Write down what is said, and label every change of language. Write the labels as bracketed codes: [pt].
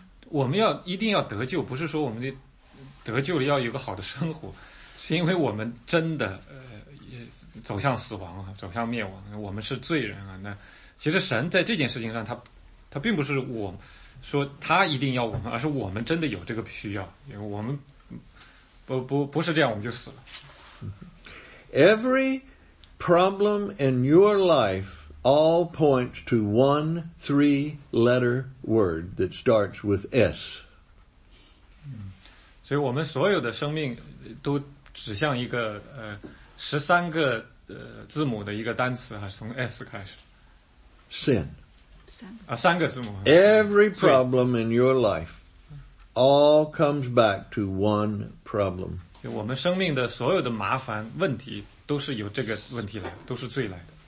[zh] 我们要一定要得救，不是说我们的得救了要有个好的生活，是因为我们真的走向死亡啊，走向灭亡。我们是罪人啊。那其实神在这件事情上，他并不是我说他一定要我们，而是我们真的有这个需要。因为我们不是这样，我们就死了。 [en] Every problem in your life. All points to one three-letter word that starts with S. [zh] 所以我们所有的生命都指向一个13个字母的一个单词从 S 开始。 [en] Sin. [zh] 三个字母。 [en] Every problem in your life all comes back to one problem. [zh] 就我们生命的所有的麻烦问题都是由这个问题来都是罪来的。